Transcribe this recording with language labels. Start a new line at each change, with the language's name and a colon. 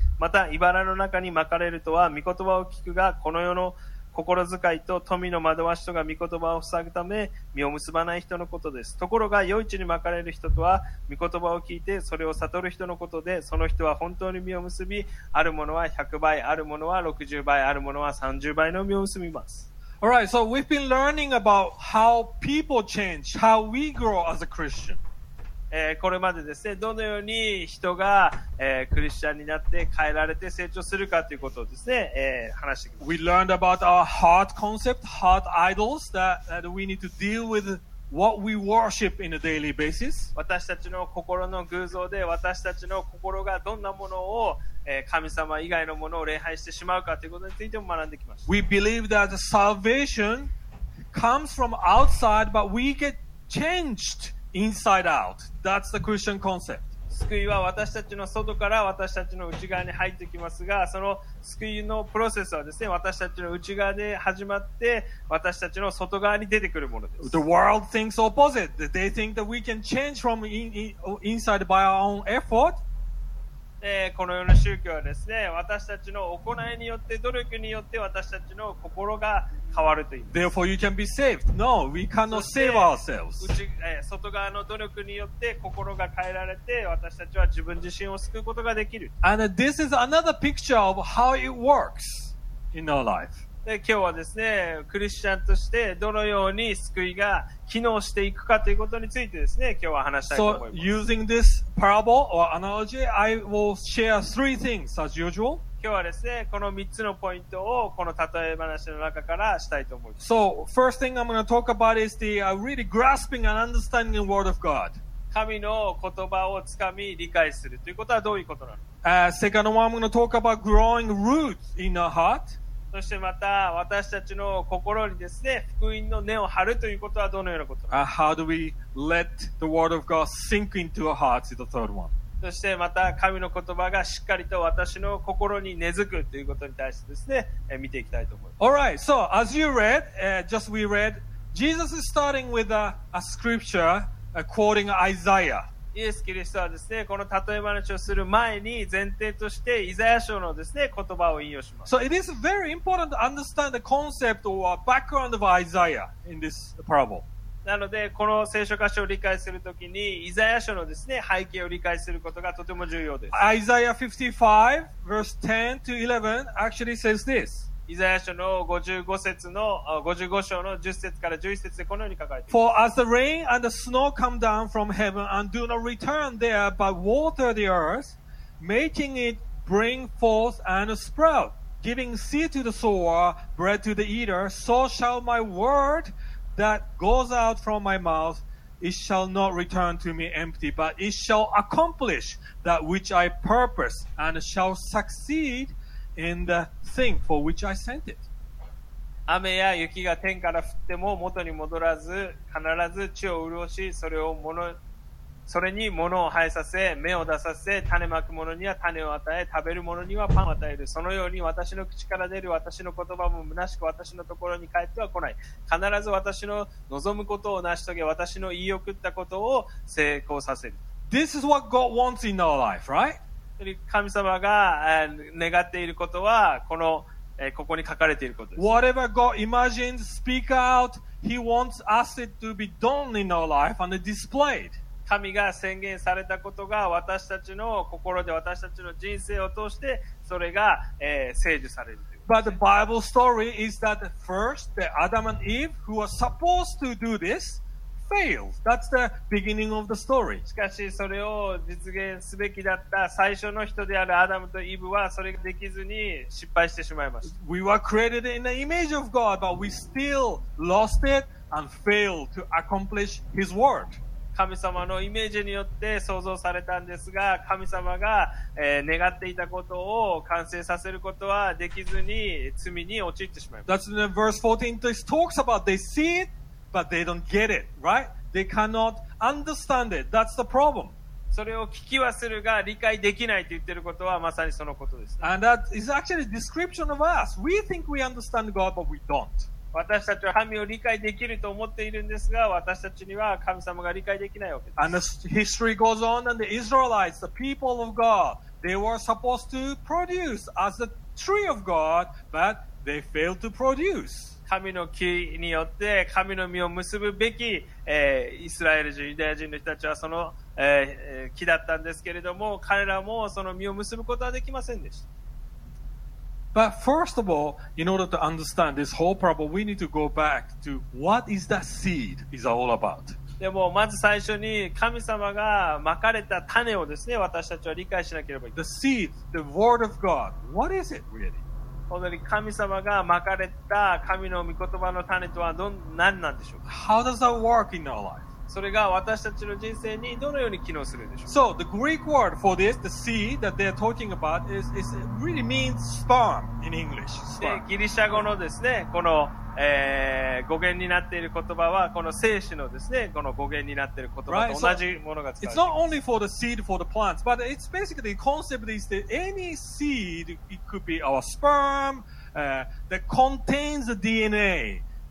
Japanese: また茨の中に巻かれるとは、御言葉を聞くがこの世の心遣いと富の惑わしとが御言葉を塞ぐため実を結ばない人のことです。ところが良い地にまかれる人とは、御言葉を聞いてそれを悟る人のことで、その人は本当に実を結び、あるものは100倍、あるものは60倍、あるものは30倍の実を結びます。
English: All right, so we've been learning about how people change, how we grow as a Christian.
Japanese: これまでですね、どのように人が、クリスチャンになって変えられて成長するかということをですね、話してきました。
English: We learned about our heart concept, heart idols, that we need to deal with what we worship in a daily basis.
Japanese: 私たちの心の偶像で、私たちの心がどんなものを、神様以外のものを礼拝してしまうかということについても学んできました。
English: We believe that salvation comes from outside, but we get changed. Inside out. That's the Christian concept.
Japanese: 救いは私たちの外から私たちの内側に入ってきますが、その救いのプロセスはですね、私たちの内側で始まって私たちの外側に出てくるものです。
English: The world thinks opposite. They think that we can change from inside by our own effort.
Japanese: このような宗教はですね、私たちの行いによって、努力によって私たちの心が変わるという。
English: Therefore you can be saved. No, we cannot save ourselves.
Japanese: 外側の努力によって心が変えられて、私たちは自分自身を救うことができる。
English: And this is another picture of how it works in our life.
Japanese: で、今日はですね、クリスチャンとしてどのように救いが機能していくかということについてですね、今日は話したいと思います。
English: So using this parable or analogy, I will share three things as usual.
Japanese: 今日はですね、この3つのポイントをこの例え話の中からしたいと思います。
English: So, first thing I'm going to talk about is the really grasping and understanding the word of God.
Japanese: 神の言葉をつかみ理解するということはどういうことなの？
English: Second one, I'm going to talk about growing roots in our heart.
Japanese: そしてまた私たちの心にですね、福音の根を張るということはどのようなことなの？
English: How do we let the word of God sink into our hearts is the third one.
Japanese: そしてまた神の言葉がしっかりと私の心に根付くということに対してですね、見ていきたいと思います。
English: Alright, so as you read, just we read, Jesus is starting with a scripture, quoting Isaiah.
Japanese: イエス・キリストはですね、この例え話をする前に前提としてイザヤ書のですね、言葉を引用します。
English: So it is very important to understand the concept or background of Isaiah in this parable.
Japanese: なのでこの聖書箇所を理解するときにイザヤ書のですね背景を理解することがとても重要です。
English: Isaiah 55 verse 10 to 11 actually says this.
Japanese: イザヤ書の55章の10節から11節でこのように書かれています
English: 。For as the rain and the snow come down from heaven and do not return there but water the earth, making it bring forth and sprout, giving seed to the sower, bread to the eater, so shall my wordThat goes out from my mouth, it shall not return to me empty, but it shall accomplish that which I purpose and shall succeed in the thing for which I sent it.
Japanese: 雨や雪が天から降っても元に戻らず、必ず地を潤し、それに物を生えさせ、芽を出させ、種まく者には種を与え、食べる者にはパンを与える。そのように私の口から出る私の言葉も虚しく私のところに帰っては来ない。必ず私の望むことを成し遂げ、私の言い送ったことを成功させる。
English: This is what God wants in our life, right?
Japanese: 神様が願っていることは、この、ここに書かれていることです。
English: Whatever God imagines, speak out, He wants us to be done in our life and displayed.
Japanese: 神が宣言されたことが私たちの心で私たちの人生を通してそれが、成就されるということ。
English: But the Bible story is that first the Adam and Eve who were supposed to do this failed. That's the beginning of the story.
Japanese: しかしそれを実現すべきだった最初の人であるアダムとイブはそれができずに失敗してしまいました。
English: We were created in the image of God, but we still lost it and failed to accomplish His word.
Japanese: 神様のイメージによって創造されたんですが、神様が、願っていたことを完成させることはできずに罪に陥ってしまいます。
English: That's in the verse 14. This talks about they see it, but they don't get it, right? They cannot understand it. That's the problem.
Japanese: それを聞きはするが理解できないと言ってることはまさにそのことです、ね。
English: And that is actually a description of us. We think we understand God, but we don't.
Japanese: 私たちは神を理解できると思っているんですが、私たちには神様が理解できないわけです。
English: And the history goes on, and the Israelites, the people of God, they were supposed to produce as the tree of God, but they failed to produce.
Japanese: 神の木によって神の実を結ぶべき、イスラエル人、ユダヤ人の人たちはその、木だったんですけれども、彼らもその実を結ぶことはできませんでした。
English: But first of all, in order to understand this whole problem, we need to go back to what is that seed is all about.
Japanese: でもまず最初に神様がまかれた種をですね、私たちは理解しなければいけない。
English: The seed, the word of God, what is it really?
Japanese: 本当に神様がまかれた神の御言葉の種とは何なんでしょうか?
English: How does that work in our life?
Japanese: それが私たちの人生にどのように機能するんでしょうか?
English: So the Greek word for this, the seed that they're talking about, is really means sperm in English. Sperm.
Japanese: ギリシャ語のですね、この、語源になっている言葉はこの精子のですね、この語源になっている言葉と同じものが使われています。
English: Right. So, it's not only for the seed for the plants, but it's basically the concept is that any seed, it could be our sperm, that contains the DNA.